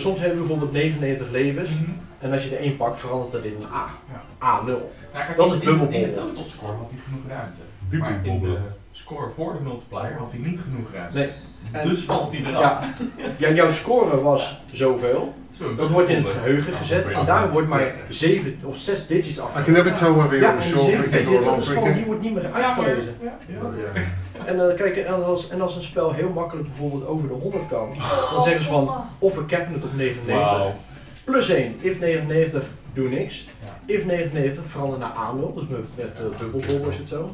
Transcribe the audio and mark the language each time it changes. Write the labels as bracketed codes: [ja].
[nl] Soms hebben we bijvoorbeeld 99 levens. En als je er één pakt, verandert dat in een A. A0. Dat is bubbelbol. In de total score had hij genoeg ruimte. Score voor de multiplier had hij niet genoeg ruimte. Nee. Dus en, valt hij eraf. Ja, ja, jouw score was zoveel. Dat wordt in het geheugen gezet. En daar wordt maar 7 of 6 digits af. [en] I can never tell where we are on the show. [nl] Die wordt niet meer uitgelezen. En kijk, en als een spel heel makkelijk bijvoorbeeld over de 100 kan, dan zeggen ze van of we capen het op 99. Wow. Plus 1, if 99, doe niks. If 99, verander naar A0, dus met dubbelbol is het zo.